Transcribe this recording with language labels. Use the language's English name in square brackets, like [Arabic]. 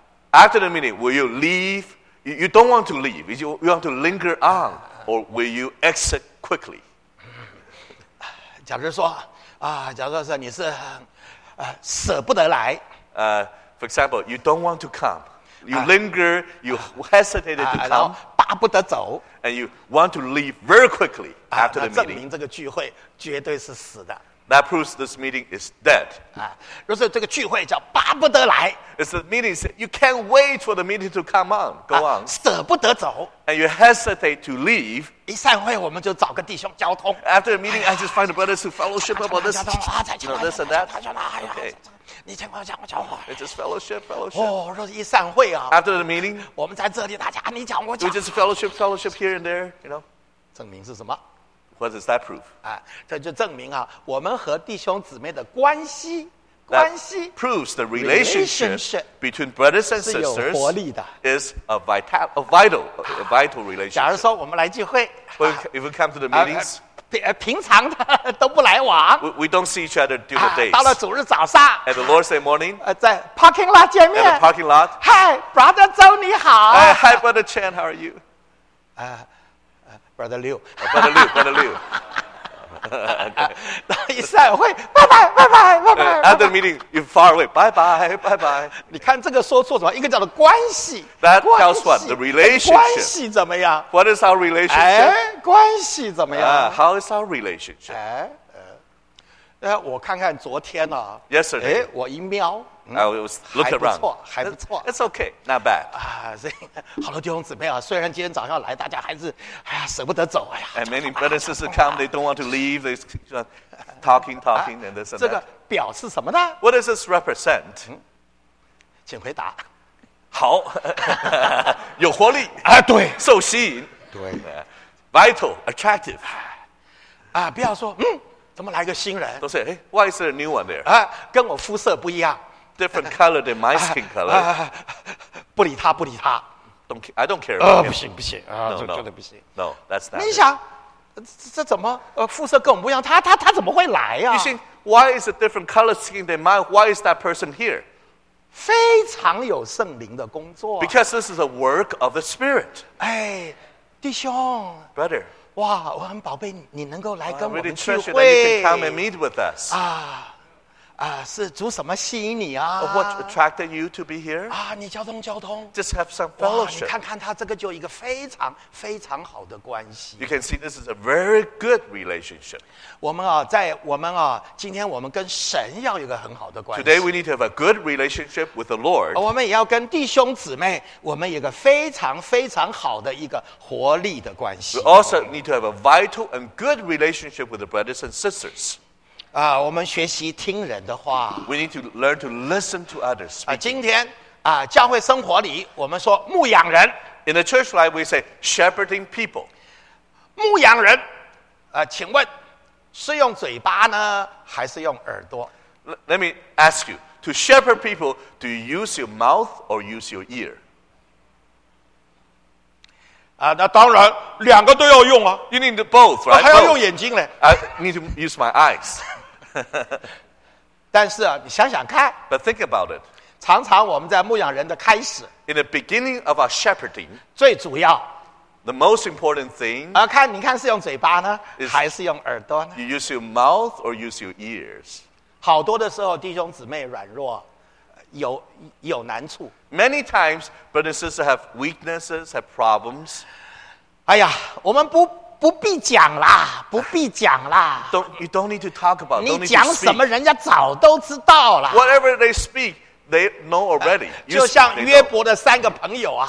[English] After the meeting, will you leave? You don't want to leave. You want to linger on, or will you exit quickly? [Chinese] 假如说啊，假如说你是舍不得来。 [English] For example, you don't want to come. You linger. You hesitated to come. [Chinese] 巴不得走。 [English] And you want to leave very quickly after the meeting. [Chinese] 证明这个聚会绝对是死的。 [English] That proves this meeting is dead. [Chinese] 若是这个聚会叫巴不得来。 [English] It's the meeting said, you can't wait for the meeting to come on. Go on. [Chinese] 舍不得走。 [English] And you hesitate to leave. [Chinese] 一散会我们就找个弟兄交通。 [English] After the meeting, I just find the brothers who fellowship about this. This and that. Okay. [Chinese] 你听我讲，我讲话。 [English] It's just fellowship. [Chinese] 若是一散会啊。 [English] After the meeting. [Chinese] 我们在这里大家你讲我讲。 [English] We just fellowship here and there, you know. [Chinese] 证明是什么？ [English] What does that prove? [Chinese] 这就证明啊，我们和弟兄姊妹的关系 [English] that proves the relationship between brothers and sisters [Chinese] 是有活力的 [English] is a vital relationship. [Chinese] 假如说我们来聚会 [English] if we come to the meetings, [Chinese] 平常的都不来往 [English] we don't see each other during the days. [Chinese] 到了主日早上 [English] at the Lord's Day morning, [Chinese] 在 parking lot 见面 [English] at the parking lot. Hi, Brother Zhou, [Chinese] 你好 [English] Hi, Brother Chen, how are you? Brother Liu. Brother Liu, Brother Liu. [Chinese] 一散会，拜拜，拜拜，拜拜。 [English] After the meeting, you're far away. Bye bye, bye bye. [Chinese] 你看这个说错什么？一个叫做关系。 [English] That tells what? The relationship. [Chinese] 关系怎么样？ [English] What is our relationship? [Chinese] 关系怎么样？ [English] How is our relationship? [Chinese] 我看看昨天啊。 [English] Yesterday. [Chinese] 我一瞄。 [English] I was looking around. [Chinese] 还不错。 [English] It's okay, not bad. [Chinese] 好多弟兄姊妹啊，虽然今天早上来，大家还是舍不得走。 [English] And many brothers and sisters come, they don't want to leave. They just talking and this and that. [Chinese] 这个表示什么呢？ [English] What does this represent? [Chinese] 请回答。好，有活力。对。受吸引。对。 [English] Vital, attractive. [Chinese] 不要说，怎么来个新人？都是 [English] why is there a new one there? [Chinese] 跟我肤色不一样。 [English] Different color than my skin color. [Chinese] 不理他，不理他。 [English] I don't care about him. [Chinese] 不行，不行。 [English] No, no. [Chinese] 真的不行。 [English] No, that's not. [Chinese] 你想，这怎么肤色跟我们不一样？他怎么会来啊？ [English] You think why is a different color skin than mine? Why is that person here? [Chinese] 非常有圣灵的工作。 [English] Because this is a work of the Spirit. [Chinese] 弟兄。 [English] Brother. [Chinese] 哇，我很宝贝你能够来跟我们聚会。 [English] I'm really treasured that you can come and meet with us. [Chinese] 是主什么吸引你啊 [English] ？What attracted you to be here？ [Chinese] 你交通。 [English] Just have some fellowship。 [Chinese] 你看看他这个就一个非常非常好的关系。 [English] You can see this is a very good relationship。 [Chinese] 我们今天我们跟神要有一个很好的关系。 [English] Today we need to have a good relationship with the Lord。 [Chinese] 我们也要跟弟兄姊妹，我们有一个非常非常好的一个活力的关系。 [English] We also need to have a vital and good relationship with the brothers and sisters。 [Chinese] 我们学习听人的话。 [English] We need to learn to listen to others. [Chinese] 今天教会生活里，我们说牧养人。 [English] In the church life, we say shepherding people. [Chinese] 牧养人，请问是用嘴巴呢，还是用耳朵 [English] ？Let me ask you: to shepherd people, do you use your mouth or use your ear? [Chinese] 那当然，两个都要用啊。 [English] You need both, right? [Chinese] 还要用眼睛呢。 [English] I need to use my eyes. [Chinese] 但是啊，你想想看。 [English] But think about it. [Chinese] 常常我们在牧养人的开始。 [English] In the beginning of our shepherding. [Chinese] 最主要。 [English] The most important thing. [Chinese] 看你看是用嘴巴呢，还是用耳朵呢 [English] ？You use your mouth or use your ears? [Chinese] 好多的时候，弟兄姊妹软弱。有难处。 [English] Many times, brothers and sisters have weaknesses, have problems. [Chinese] 我们不必讲啦。 [English] You don't need to talk about. [Chinese] 你讲什么，人家早都知道了。 [English] Whatever they speak, they know already. [Chinese] 就像约伯的三个朋友啊。